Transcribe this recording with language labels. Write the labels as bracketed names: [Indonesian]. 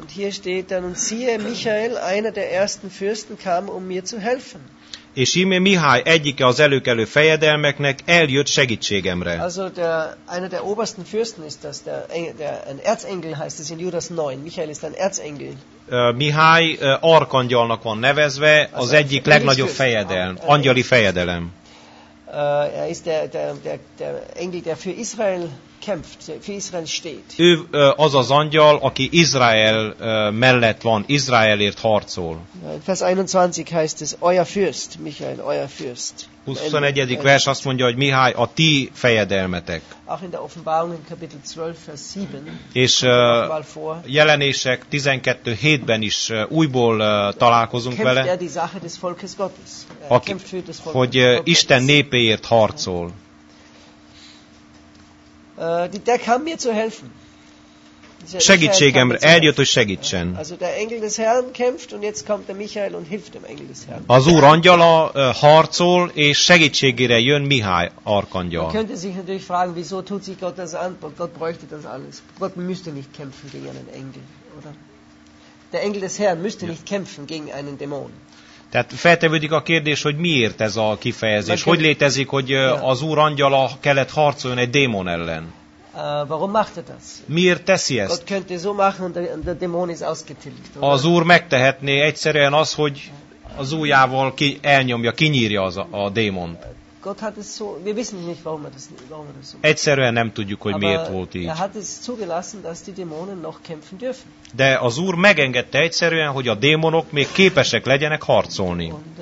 [German] Und hier steht dann, und siehe, Michael, einer der ersten Fürsten kam, um mir zu helfen. [Hungarian] És íme Mihály, egyike az előkelő fejedelmeknek, eljött segítségemre. [German] Also einer der obersten Fürsten ist das, ein Erzengel heißt es in Judas 9. Michael ist ein Erzengel. [Hungarian] Mihály arkangyalnak van nevezve, az egyik legnagyobb fejedelem, angyali fejedelem. [German] Er ist der Engel, der für Israel kämpft, für Israel steht. [Hungarian] Ő az az angyal, aki Izrael mellett van, Izraelért harcol. [German] Vers 21 heißt es, euer Fürst, Michael, euer Fürst. [Hungarian] 21. vers azt mondja, hogy Mihály, a ti fejedelmetek. [German] Auch in der Offenbarung in Kapitel 12, Vers 7. [Hungarian] És Jelenések 12:7-ben is újból találkozunk vele. [German] Kämpft er die Sache des Volkes Gottes. [Hungarian] Hogy Isten népéért harcol. [German] Der kam mir zu helfen. [Hungarian] Segítségemre, eljött, hogy segítsen. [German] Also der Engel des Herrn kämpft und jetzt kommt der Michael und hilft dem Engel des Herrn. [Hungarian] Az Úr angyala harcol és segítségére jön Mihály arkangyal. [German] Man könnte sich natürlich fragen, wieso tut sich Gott das an? Gott bräuchte das alles. Gott müsste nicht kämpfen gegen einen Engel, oder? Der Engel des Herrn müsste nicht kämpfen gegen einen Dämon. [Hungarian] Tehát feltevődik a kérdés, hogy miért ez a kifejezés? Hogy létezik, hogy az Úr angyala kellett harcoljon egy démon ellen? [German] Warum macht er das? [Hungarian] Miért teszi ezt? [German] Gott könnte so machen und der Dämon ist ausgetilgt. Oder? [Hungarian] Az Úr megtehetné egyszerűen az, hogy az ujjával kinyírja a démont. [German] Gott hat es so, wir wissen nicht, warum er das so macht. [Hungarian] Egyszerűen nem tudjuk, hogy miért volt így. [German] Aber er hat es zugelassen, dass die Dämonen noch kämpfen dürfen. [Hungarian] De az Úr megengedte egyszerűen, hogy a démonok még képesek legyenek harcolni.